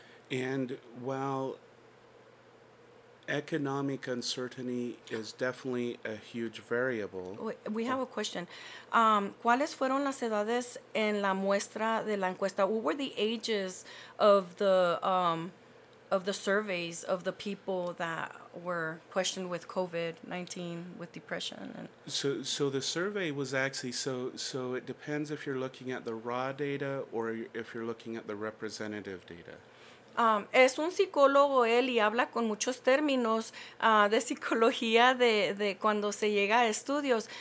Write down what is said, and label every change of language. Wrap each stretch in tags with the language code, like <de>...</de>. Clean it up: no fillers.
<en>And while economic uncertainty is definitely a huge variable. We have a question.</en> <es>¿Cuáles fueron las edades en la muestra de la encuesta?</es> <en>What were the ages of the surveys of the people that were questioned with COVID-19, with depression? And so the survey was actually, so it depends if you're looking at the raw data or if you're looking at the representative data.</en> <es>Es un psicólogo él, y habla con muchos términos de psicología de cuando se llega a estudios.</es>